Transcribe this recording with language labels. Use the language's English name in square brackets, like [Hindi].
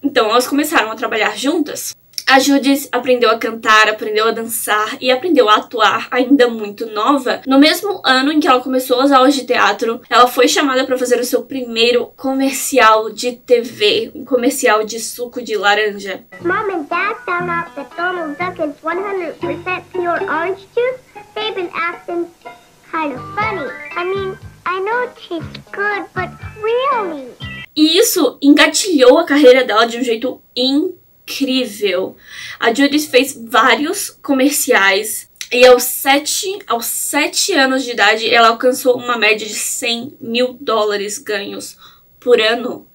[Portuguese] Então elas começaram a trabalhar juntas. A Judith aprendeu a cantar, aprendeu a dançar e aprendeu a atuar ainda muito nova. No mesmo ano em que ela começou as aulas de teatro, ela foi chamada para fazer o seu primeiro comercial de TV, um comercial de suco de laranja. [English] Mom and Dad found out that Donald Duck is 100% pure orange juice. They've been acting kind of funny. I mean, I know it tastes good, but really. [Portuguese] E isso engatilhou a carreira dela de um jeito incrível. A Judith fez vários comerciais e aos sete anos de idade ela alcançou uma média de 100 mil dólares ganhos por ano.